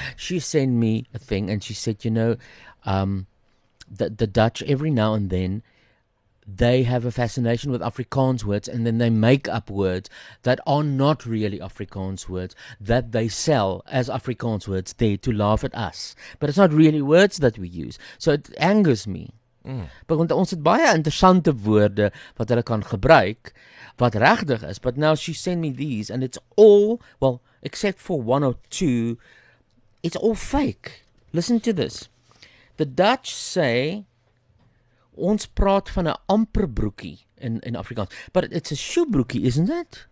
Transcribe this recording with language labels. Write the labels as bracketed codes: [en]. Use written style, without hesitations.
[en] She sent me a thing and she said, you know, the Dutch every now and then, they have a fascination with Afrikaans words, and then they make up words that are not really Afrikaans words that they sell as Afrikaans words there to laugh at us. But it's not really words that we use. So it angers me. [af] But want ons het baie interessante woorde wat hulle kan gebruik wat regtig is. But now she sent me these and it's all, well, except for one or two, it's all fake. [en] Listen to this. The Dutch say, [af] ons praat van 'n amper broekie in Afrikaans. [en] But it's a shoe broekie, isn't it?